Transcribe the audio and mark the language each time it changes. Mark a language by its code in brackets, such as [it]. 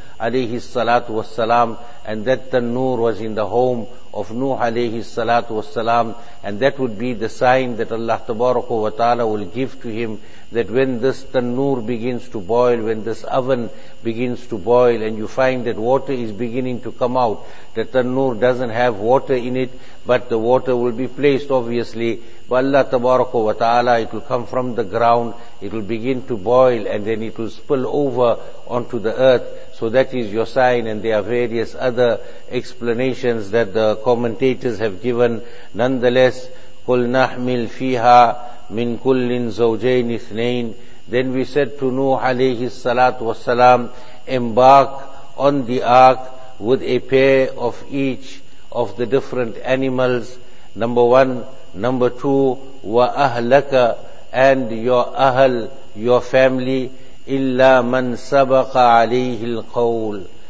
[en] alayhi salatu wasalam, and that tannur was in the home of Nuh alayhi salatu wasalam, and that would be the sign that Allah tabaraka wa ta'ala will give to him, that when this tannur begins to boil, when this oven begins to boil and you find that water is beginning to come out, the tannur doesn't have water in it, but the water will be placed obviously by Allah tabaraka wa ta'ala. It will come from the ground, it will begin to boil, and then it will spill over onto the earth. So that is your sign. And there are various other explanations that the commentators have given. [ar] Nonetheless, قُلْ نَحْمِلْ فِيهَا مِنْ كُلِّنْ زَوْجَيْنِ اثْنَيْنِ. [en] Then we said to Nuh alayhi salatu wasalam, embark on the ark with a pair of each of the different animals. Number one. Number two, [ar] وَأَهْلَكَ, [en] and your ahl, your family, [ar] إِلَّا مَنْ سَبَقَ عَلَيْهِ الْقَوْلِ.